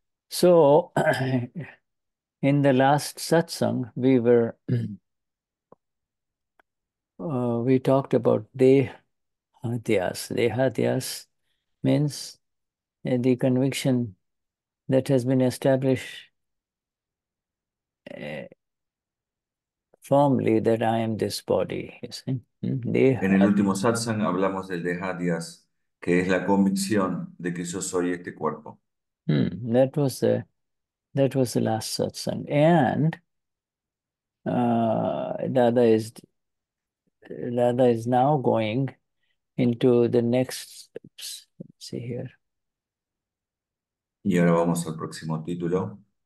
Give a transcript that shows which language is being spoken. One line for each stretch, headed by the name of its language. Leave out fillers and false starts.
English: So, in the last satsang, we were we talked about adhyaas. Adhyaas means the conviction that has been established firmly that I am this body. You see?
Spanish: En el último satsang hablamos del adhyaas, que es la convicción de que yo soy este cuerpo.
English: That was the last satsang. And Dada is now going into the next, let's see here.
Spanish: Y ahora vamos al próximo título.